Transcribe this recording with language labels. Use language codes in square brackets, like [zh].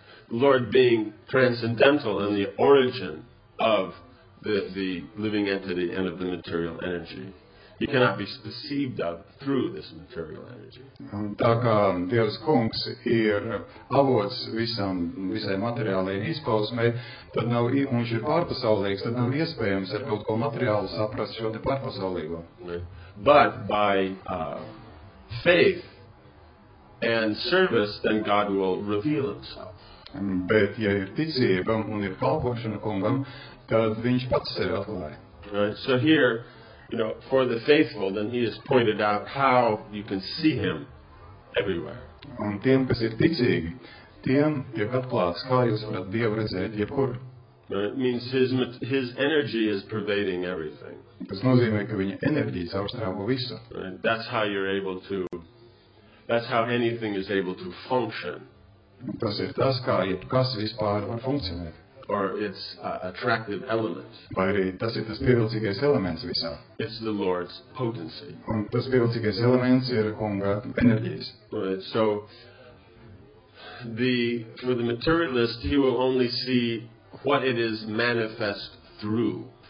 [en] The Lord being transcendental in the origin of the living entity and of the material energy. He cannot be perceived of through this material energy. [lv] Tā kā Dievs Kungs ir avots visai materiālajai izpausmei, tad nav, viņš ir pārpasaulīgs, tad nav iespējams ar kaut ko materiālu saprast šo te pārpasaulīgo. [en] But by faith and service, then God will reveal himself. [lv] Bet ja ir ticība un ir kalpošana Kungam, tad viņš pats sevi atklāja. [en] Right, so here, you know, for the faithful, then he has pointed out how you can see him everywhere. [lv] Un tiem, kas ir ticīgi, tiem tiek atklāts, kā jūs varat Dievu redzēt jebkur. [en] It means his energy is pervading everything. [lv] Tas nozīmē, ka viņa enerģija caurstrāvo visu. [en] Right? That's how anything is able to function. [lv] Tas ir tas, kā jebkas vispār var funkcionēt. [en] or its attractive element. [lv] Vai arī tas ir tas pievilcīgais elements visā. [en] It's the Lord's potency. [lv] Un tas pievilcīgais elements ir Kunga enerģijas. [en] Right. So for the materialist, he will only see what it is manifest through.